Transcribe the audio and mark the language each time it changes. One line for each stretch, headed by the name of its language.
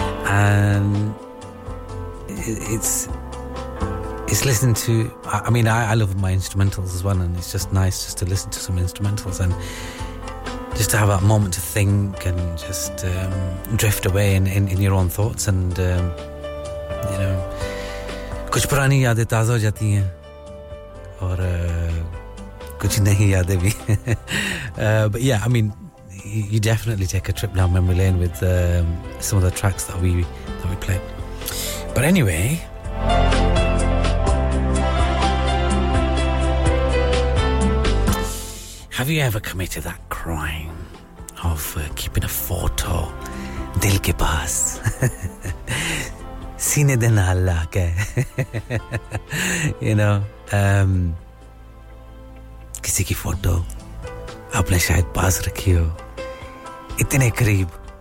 English: And it's listening to, I mean, I love my instrumentals as well, and it's just nice just to listen to some instrumentals and just to have that moment to think and just drift away in your own thoughts.
Hindi: And you know, कुछ पुरानी यादें ताज़ा हो जाती हैं और कुछ नई यादें भी.
English: But yeah, I mean, you definitely take a trip down memory lane with some of the tracks that we play. But anyway, have you ever committed that crime of keeping a photo
Hindi: dil ke paas sine de na Allah ke,
English: you know,
Hindi: kisi ki photo apne shayad paas rakhi ho itne kareeb.